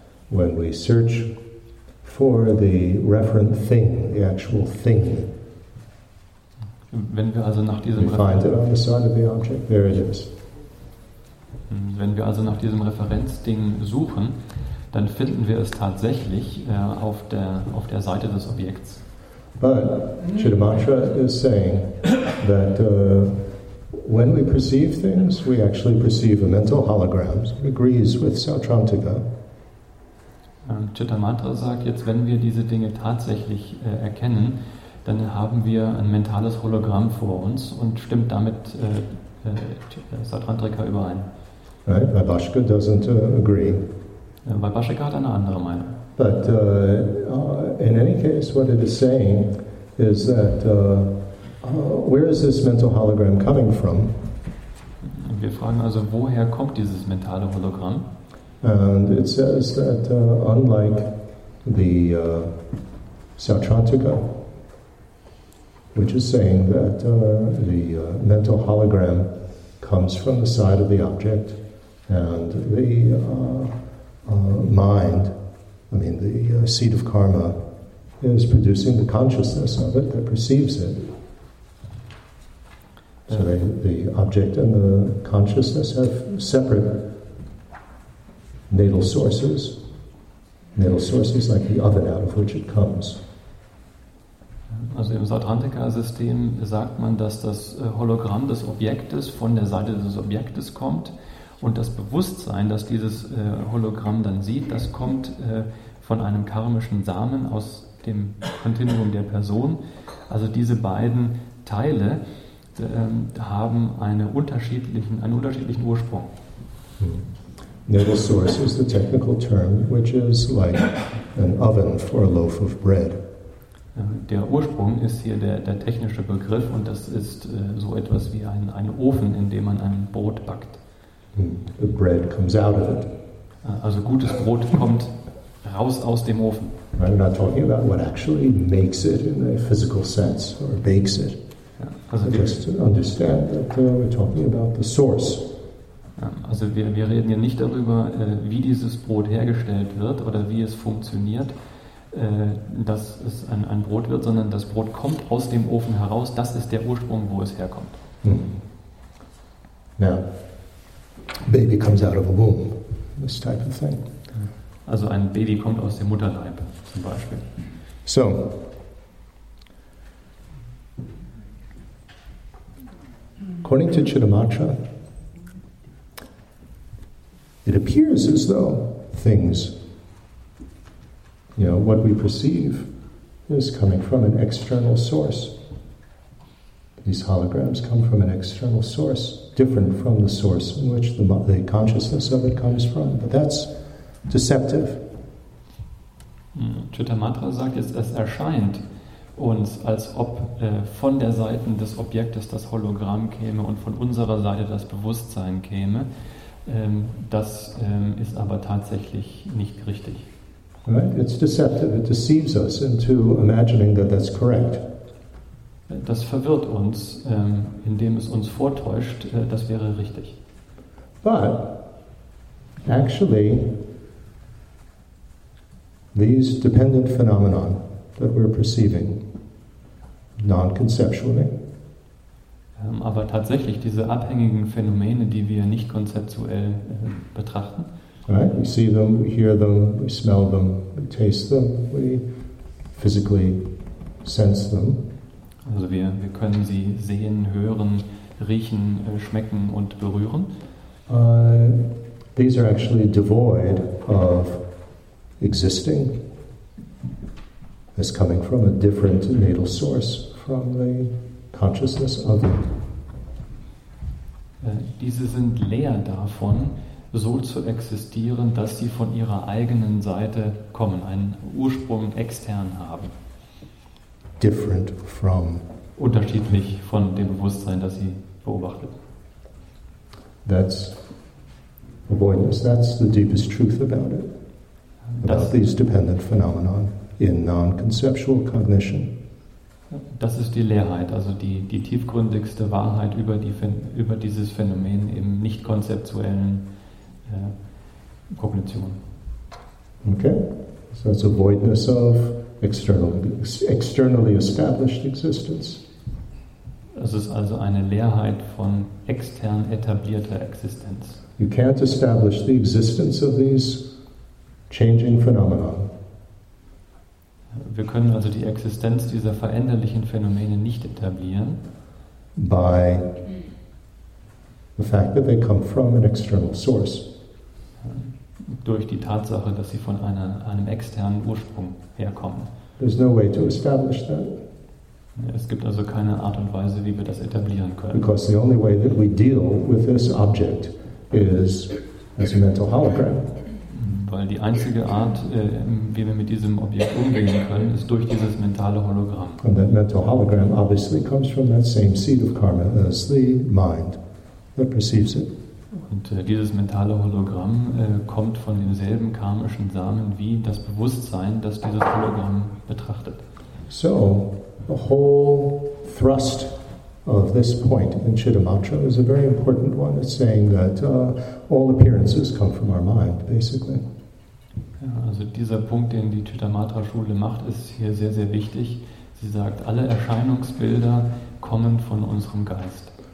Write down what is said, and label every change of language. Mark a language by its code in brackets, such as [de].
[en] When we search for the referent thing, the actual thing, [de] wenn wir also nach diesem Referenzding suchen, dann finden wir es tatsächlich auf der Seite des Objekts. [en] But Chittamatra is saying that when we perceive things, we actually perceive a mental hologram. It agrees with Sautrantika. [de] Chittamatra sagt jetzt, wenn wir diese Dinge tatsächlich erkennen, dann haben wir ein mentales Hologramm vor uns und stimmt damit Sautrantika überein. [en] Right, Vaibhashika doesn't agree. [de] Vaibhashika hat eine andere Meinung. [en] But in any case, what it is saying is that where is this mental hologram coming from? [de] Wir fragen also, woher kommt dieses mentale Hologramm? [en] And it says that unlike the Sautrantika, which is saying that the mental hologram comes from the side of the object, and the seat of karma is producing the consciousness of it that perceives it. So the object and the consciousness have separate natal sources like the oven out of which it comes. [de] Also im Sautrantika-System sagt man, dass das Hologramm des Objektes von der Seite des Objektes kommt und das Bewusstsein, das dieses Hologramm dann sieht, das kommt von einem karmischen Samen aus dem Kontinuum der Person. Also diese beiden Teile haben einen unterschiedlichen Ursprung. [en] Natal source is the technical term, which is like an oven for a loaf of bread. [de] Der Ursprung ist hier der technische Begriff und das ist so etwas wie ein Ofen, in dem man ein Brot backt. [en] The bread comes out of it. [de] Also gutes Brot kommt raus aus dem Ofen. [en] I'm not talking about what actually makes it in a physical sense or bakes it. [de] Also [en] just to understand that we're talking about the source. [de] Also wir reden hier nicht darüber, wie dieses Brot hergestellt wird oder wie es funktioniert, dass es ein Brot wird, sondern das Brot kommt aus dem Ofen heraus. Das ist der Ursprung, wo es herkommt. [en] Hmm. Now, baby comes out of a womb, this type of thing. [de] Also ein Baby kommt aus dem Mutterleib, zum Beispiel. [en] So. According to Chittamatra, it appears as though things, you know, what we perceive is coming from an external source. These holograms come from an external source, different from the source in which the consciousness of it comes from. But that's deceptive. [de] Chittamatra sagt jetzt, es erscheint uns, als ob von der Seite des Objektes das Hologramm käme und von unserer Seite das Bewusstsein käme. Das ist aber tatsächlich nicht richtig. [en] Right? It's deceptive. It deceives us into imagining that that's correct. [de] Das verwirrt uns, indem es uns vortäuscht, das wäre richtig. [en] But actually, these dependent phenomena that we're perceiving non-conceptually, [de] Aber tatsächlich, diese abhängigen Phänomene, die wir nicht konzeptuell betrachten. [en] Right, we see them, we hear them, we smell them, we taste them, we physically sense them. [de] Also wir können sie sehen, hören, riechen, schmecken und berühren. [en] These are actually devoid of existing. It's coming from a different natal source from the consciousness of it. [de] Diese sind leer davon, so zu existieren, dass sie von ihrer eigenen Seite kommen, einen Ursprung extern haben. [en] Different from. [de] Unterschiedlich von dem Bewusstsein, das sie beobachtet. [en] That's avoidance. That's the deepest truth about it. About these dependent phenomena in non-conceptual cognition. [de] Das ist die Leerheit, also die tiefgründigste Wahrheit über dieses Phänomen im nicht-konzeptuellen Kognition. [en] Okay, so that's avoidness of externally established existence. [de] Es ist also eine Leerheit von extern etablierter Existenz. [en] You can't establish the existence of these changing phenomena. [de] Wir können also die Existenz dieser veränderlichen Phänomene nicht etablieren. [en] By the fact that they come from an external source. [de] Durch die Tatsache, dass sie von einem externen Ursprung herkommen. [en] There's no way to establish that. [de] Es gibt also keine Art und Weise, wie wir das etablieren können. [en] Because the only way that we deal with this object is as a mental hologram. [de] Weil die einzige Art, wie wir mit diesem Objekt umgehen können, ist durch dieses mentale Hologramm. [en] And that mental hologram obviously comes from that same seed of karma as the mind that perceives it. [de] Und dieses mentale Hologramm kommt von demselben karmischen Samen wie das Bewusstsein, das dieses Hologramm betrachtet. [en] So, the whole thrust of this point in Chittamatra is a very important one. It's saying that all appearances come from our mind, basically. [de] Ja, also dieser Punkt, den die Chittamatra-Schule macht, ist hier sehr, sehr wichtig. Sie sagt, alle Erscheinungsbilder kommen von unserem Geist.